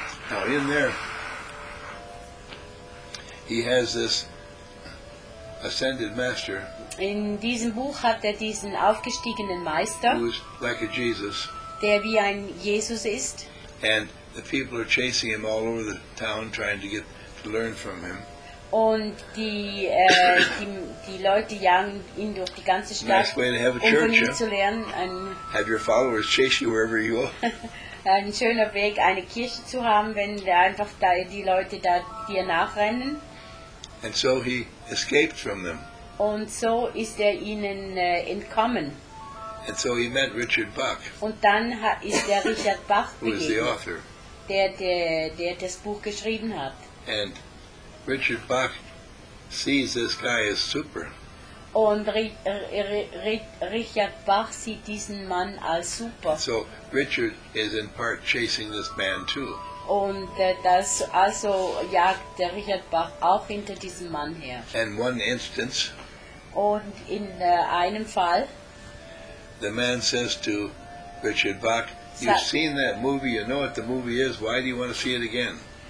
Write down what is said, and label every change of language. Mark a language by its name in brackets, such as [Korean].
[English] Now, in there, he has this Ascended Master. [German] In diesem Buch hat diesen aufgestiegenen Meister, [English] who is like a Jesus, [German] der wie ein Jesus ist. [English] And the people are chasing him all over the town, trying to get to learn from him. [German] Und die Leute jagen ihn durch die ganze Stadt, [English] nice way to have a [German] um [English] church, [German] von ihm zu lernen. Ein, [English] have your followers chase you wherever you go. [German] Ein schöner Weg, eine Kirche zu haben, wenn einfach die Leute da dir nachrennen. [English] And so he escaped from them. [German] Und so ist ihnen entkommen. [English] And so he met Richard Bach. [German] Und dann ist Richard Bach begegnet, [English] who is the author. [German] Der das Buch geschrieben hat. [English] And Richard Bach sees this guy as super. [German] Und Richard Bach sieht diesen Mann als super. [English] So Richard is in part chasing this man too. [German] Und das also jagt Richard Bach auch hinter diesem Mann her. [English] And one instance. [German] Und in einem Fall. [English] The man says to Richard Bach, "You've seen that movie. You know what the movie is. Why do you want to see it again?"